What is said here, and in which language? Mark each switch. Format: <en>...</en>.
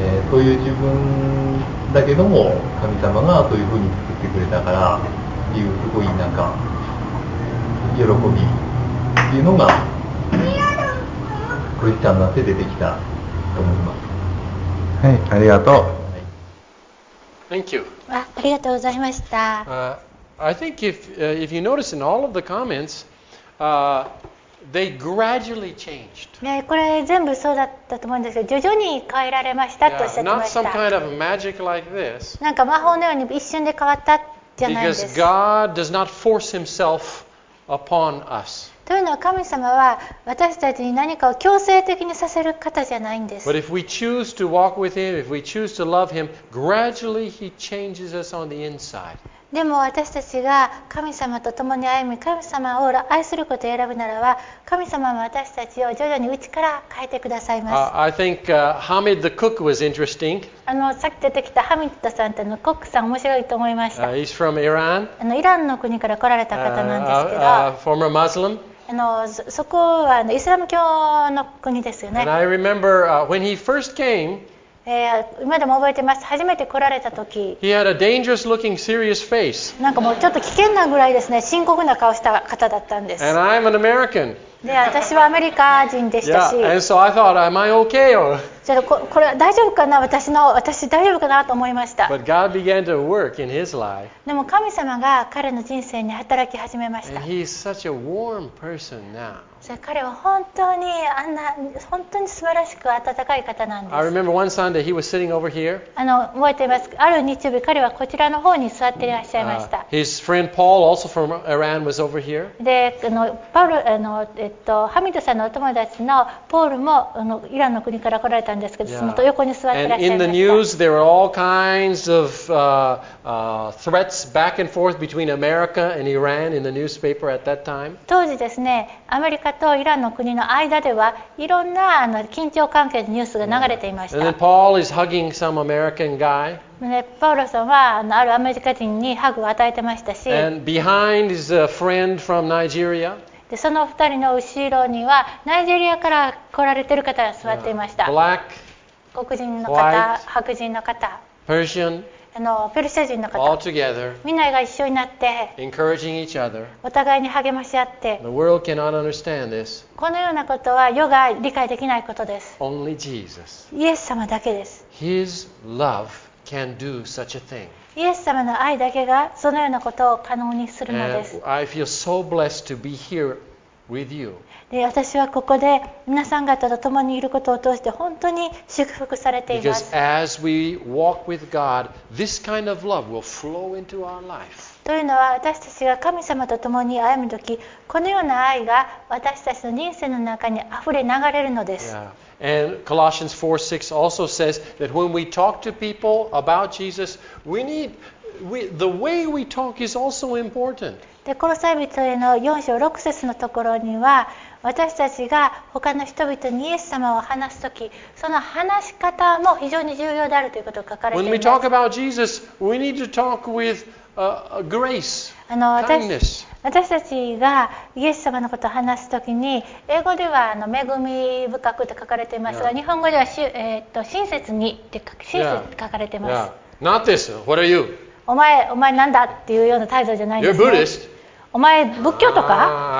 <ja>という自分だけども神様がそういうふうに作ってくれたからっていうすごいなんか喜びっていうのがクリスチャンになって出てきたと思います。はい、ありがとう。</ja> <en>Thank you.</en> <ja>ありがとうございました。</ja> <en>I think if you notice in all of the comments, they gradually changed.</en> <ja>ね、これ全部そうだったと思うんですけど、徐々に変えられましたとおっしゃってました。</ja> <en>Not some kind of magic like this.</en> <ja>なんか魔法のように一瞬で変わったじゃないです。</ja> <en>Because God does not force Himself upon us.</en> <ja>というのは神様は私たちに何かを強制的にさせる方じゃないんです。</ja> <en>But if we choose to walk with Him, if we choose to love Him, gradually He changes us on the inside.</en> <ja>でも私たちが神様と共に歩み、神様を愛することを選ぶならば、神様は私たちを徐々に内から変えてくださいます。</ja> <en>I think Hamid the cook was interesting.</en> <ja>さっき出てきたハミッドさんというのコックさん面白いと思いました。</ja> <en>He's from Iran.</en> <ja>イランの国から来られた方なんですけど、</ja> <en>former Muslim.</en> <ja>そこはイスラム教の国ですよね。</ja> <en>And I remember when he first came.</en> <ja>今でも覚えてます。初めて来られた時、</ja> <en>He had a dangerous looking, serious face.</en> <ja>なんかもうちょっと危険なぐらいですね、深刻な顔した方だったんです。</ja> <en>And I'm an American.</en> <ja>で、私はアメリカ人でしたし、</ja> <en>Yeah. And so I thought, am I okay? Or...</en> <ja>じゃあこれ大丈夫かな、私大丈夫かなと思いました。</ja> <en>But God began to work in his life.</en> <ja>でも神様が彼の人生に働き始めました。</ja> <en>And he's such a warm person now.</en> <ja>彼は本当に素晴らしく温かい方なんです。</ja> <en>I remember one Sunday he was sitting over here.</en> <ja>覚えています。ある日曜日彼はこちらの方に座っていらっしゃいました。</ja> <en>His friend Paul, also from Iran, was over here.</en> <ja>で、パウル、ハミドさんのお友達のポールもイランの国から来られたんですけど、その横に座っていらっしゃいました。</ja> <en>And in the news, there were all kinds of threats back and forth between America and Iran in the newspaper at that time.</en> <ja>当時ですね、アメリカとイランの国の間ではいろんな緊張関係のニュースが流れていました。</ja> <en>And then Paul is hugging some American guy.</en> <ja>パウロさんはあるアメリカ人にハグを与えてましたし。</ja> <en>And behind is a friend from Nigeria.</en> <ja>でその二人の後ろにはナイジェリアから来られてる方が座っていました。</ja> <en>Black,</en> <ja>黒人の方、</ja> <en>white,</en> <ja>白人の方、</ja> <en>Persian.</en> <ja>ペルシャ人の方</ja> <en>All together,</en> <ja>みんなが一緒になって</ja> <en>encouraging each other,</en> <ja>お互いに励まし合って</ja> <en>The world cannot understand this.</en> <ja>このようなことは世が理解できないことです。</ja> <en>Only Jesus.</en> <ja>イエス様だけです。</ja> <en>His love can do such a thing.</en> <ja>イエス様の愛だけがそのようなことを可能にするのです。</ja> <en>And I feel so blessed to be here with you.</en> <ja>で私はここで皆さん方と共にいることを通して本当に祝福されています。</ja> <en>Because as we walk with God, this kind of love will flow into our life.</en> <ja>というのは私たちが神様と共に歩むとき、このような愛が私たちの人生の中にあふれ流れるのです。</ja> <en>Yeah. And Colossians 4:6 also says that when we talk to people about Jesus, the way we talk is also important.</en> <ja>でコロサイ人への4章6節のところには、私たちが他の人々にイエス様を話すとき、その話し方も非常に重要であるということが書かれています。</ja> <en>When we talk about Jesus, we need to talk with grace, kindness.</en> <ja>私たちがイエス様のことを話すときに、英語では恵み深くと書かれていますが、日本語では親切にって 書かれています。</ja> <en>Not this, what are you?</en> <ja>お前なんだっていうような態度じゃないんです</ja> <en>ね。You're Buddhist.</en> <ja>お前仏教とか、</ja>